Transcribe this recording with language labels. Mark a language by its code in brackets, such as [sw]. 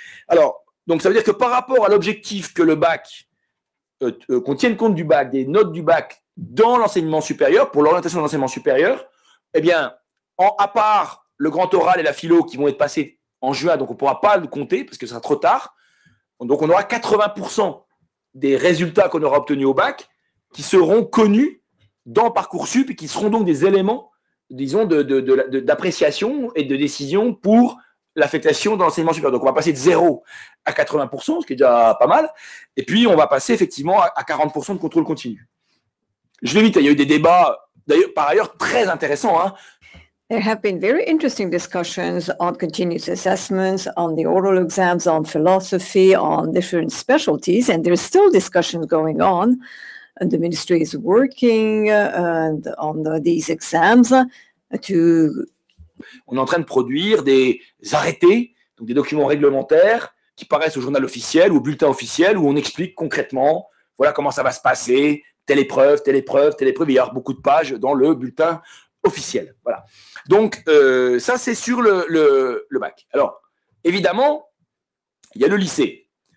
[fr] Alors, donc ça veut dire que par rapport à l'objectif que le bac, qu'on tienne compte du bac, des notes du bac dans l'enseignement supérieur, pour l'orientation de l'enseignement supérieur, eh bien, à part le grand oral et la philo qui vont être passés en juin, donc on ne pourra pas le compter parce que ça sera trop tard, donc on aura 80% des résultats qu'on aura obtenus au bac qui seront connus dans Parcoursup et qui seront donc des éléments, disons, d'appréciation et de décision pour l'affectation dans l'enseignement supérieur. Donc, on va passer de 0 à 80%, ce qui est déjà pas mal. Et puis, on va passer effectivement à 40% de contrôle continu. Je vais vite, il y a eu des débats D'ailleurs, par ailleurs, très intéressant, hein. [en] There have been very interesting discussions on continuous assessments, on the oral exams, on philosophy, on different specialties, and there's still discussions going on. And the ministry is working on these exams to... [fr] On est en train de produire des arrêtés, donc des documents réglementaires qui paraissent au journal officiel ou au bulletin officiel où on explique concrètement, voilà comment ça va se passer, telle épreuve, telle épreuve, telle épreuve. Il y a beaucoup de pages dans le bulletin officiel. Voilà. Donc, ça, c'est sur le bac. Alors, évidemment, il y a le lycée.